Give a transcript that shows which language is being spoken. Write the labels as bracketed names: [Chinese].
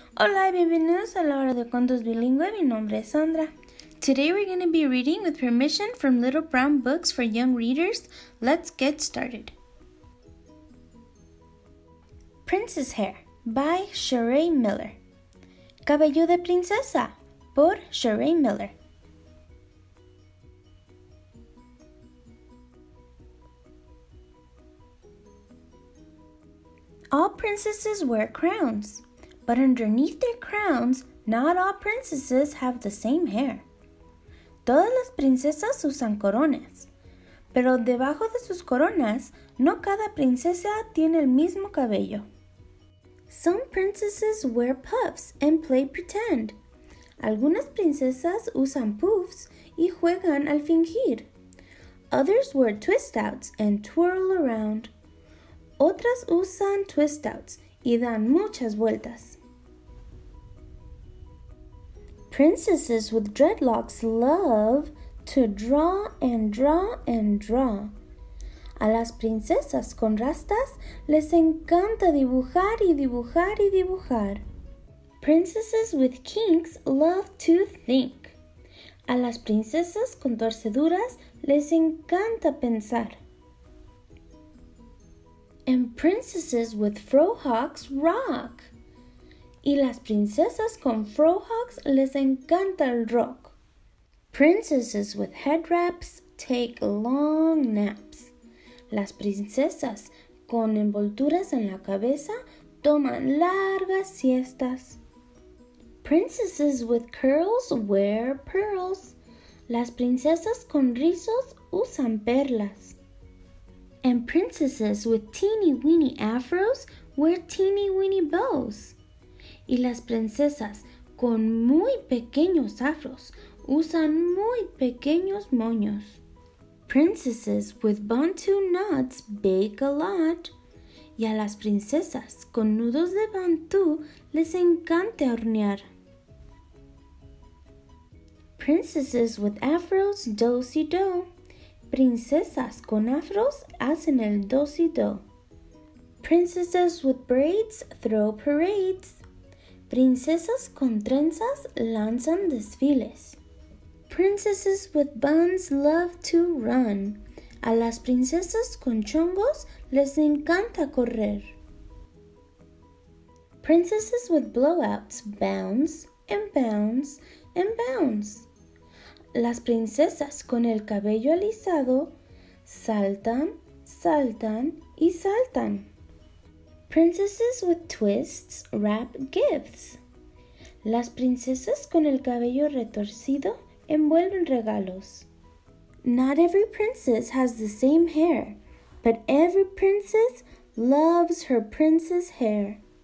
[Spanish] Hola y bienvenidos a la hora de cuentos bilingüe. Mi nombre es Sandra. [English] Today we're going to be reading with permission from Little Brown Books for Young Readers. Let's get started. Princess Hair by Sheree Miller. [Spanish] Cabello de Princesa por Sheree Miller. [English] All princesses wear crowns, but underneath their crowns, not all princesses have the same hair. [Spanish] Todas las princesas usan coronas, pero debajo de sus coronas, no cada princesa tiene el mismo cabello. [English] Some princesses wear puffs and play pretend. [Spanish] Algunas princesas usan puffs y juegan al fingir. [English] Others wear twist-outs and twirl around. [Spanish] Otras usan twist-outs y dan muchas vueltas. [English] Princesses with dreadlocks love to draw and draw and draw. [Spanish] A las princesas con rastas les encanta dibujar y dibujar y dibujar. [English] Princesses with kinks love to think. [Spanish] A las princesas con torceduras les encanta pensar. [English] And princesses with frohawks rock. [Spanish] Y las princesas con frohawks les encanta el rock. [English] Princesses with head wraps take long naps. [Spanish] Las princesas con envolturas en la cabeza toman largas siestas. [English] Princesses with curls wear pearls. [Spanish] Las princesas con rizos usan perlas. [English] And princesses with teeny-weeny afros wear teeny-weeny bows. [Spanish] Y las princesas con muy pequeños afros usan muy pequeños moños. [English] Princesses with bantu knots bake a lot. [Spanish] Y a las princesas con nudos de bantu les encanta hornear. [English] Princesses with afros do-si-do. [Spanish] Princesas con afros hacen el do-si-do. [English] Princesses with braids throw parades. [Spanish] Princesas con trenzas lanzan desfiles. [English] Princesses with buns love to run. [Spanish] A las princesas con chongos les encanta correr. [English] Princesses with blowouts bounce and bounce and bounce. [Spanish] Las princesas con el cabello alisado saltan, saltan y saltan. [English] Princesses with twists wrap gifts. [Spanish] Las princesas con el cabello retorcido envuelven regalos. [English] Not every princess has the same hair, but every princess loves her princess hair.